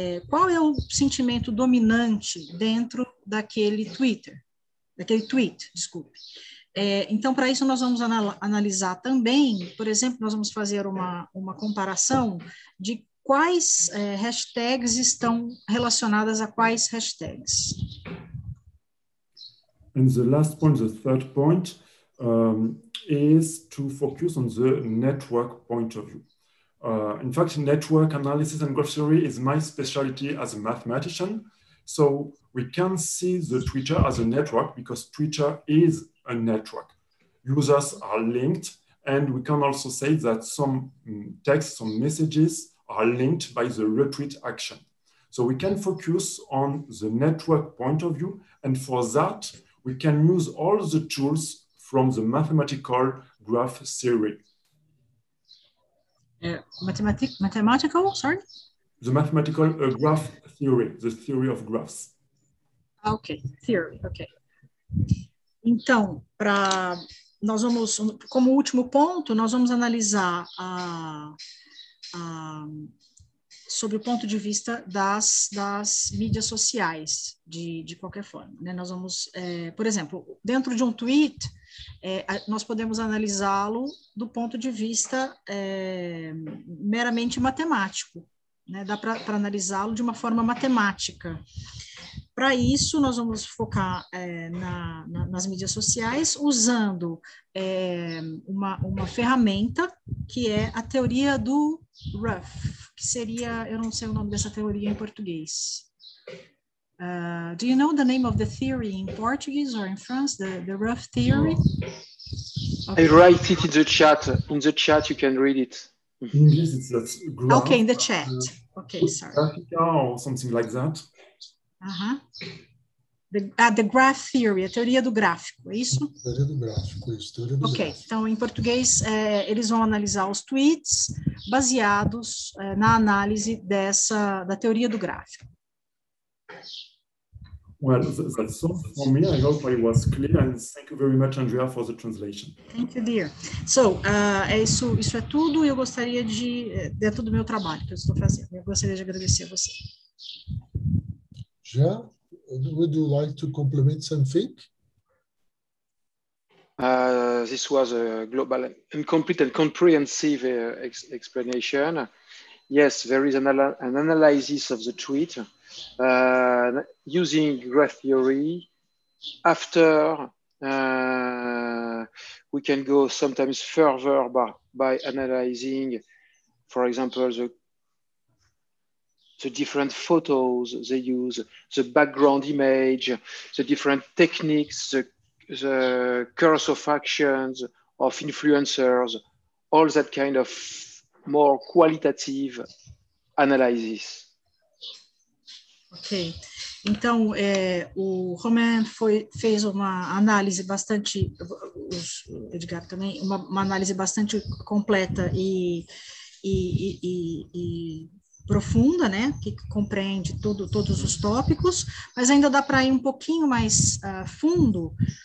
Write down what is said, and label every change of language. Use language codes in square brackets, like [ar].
[pt] Qual é o sentimento dominante dentro daquele Twitter? Daquele tweet, desculpe. Então, para isso, nós vamos analisar também, por exemplo, nós vamos fazer uma comparação de quais hashtags estão relacionadas a quais hashtags. [en] And the last point, the third point, is to focus on the network point of view. In fact, network analysis and graph theory is my specialty as a mathematician. So we can see the Twitter as a network because Twitter is a network. Users are linked, and we can also say that some texts, some messages are linked by the retweet action. So we can focus on the network point of view, and for that, we can use all the tools from the mathematical graph theory. The mathematical graph theory, the theory of graphs. Okay, theory, okay. [pt] Então, nós vamos, como último ponto, nós vamos analisar sobre o ponto de vista das mídias sociais, de qualquer forma. Né? Nós vamos, por exemplo, dentro de um tweet, nós podemos analisá-lo do ponto de vista meramente matemático. Né? Dá para analisá-lo de uma forma matemática. Para isso, nós vamos focar nas mídias sociais usando uma ferramenta que é a teoria do Ruff, que seria, eu não sei o nome dessa teoria em português. [en] Do you know the name of the theory in Portuguese or in France, the Ruff theory? Okay. I write it in the chat. In the chat, you can read it. Okay, in the chat. Okay, sorry. Or something like that. The graph theory, [pt] a teoria do gráfico, é isso? Teoria do gráfico, isso. Teoria do gráfico. Ok, então em português eles vão analisar os tweets baseados na análise da teoria do gráfico. [en] Well, that's all for me. I hope I was clear, and thank you very much, Andrea, for the translation. Thank you, dear. So, [pt] isso é tudo. Eu gostaria de dentro do meu trabalho que eu estou fazendo. Eu gostaria de agradecer a você. [en] Jean, would you like to complement something? This was a global and complete and comprehensive explanation. Yes, there is an analysis of the tweet using graph theory. After, we can go sometimes further by analyzing, for example, the different photos they use, the background image, the different techniques, the course of actions of influencers, all that kind of more qualitative analysis. Ok. [pt] Então, o Romain fez uma análise bastante, o Edgar também, uma análise bastante completa e profunda, né, que compreende todos os tópicos, mas ainda dá para ir um pouquinho mais fundo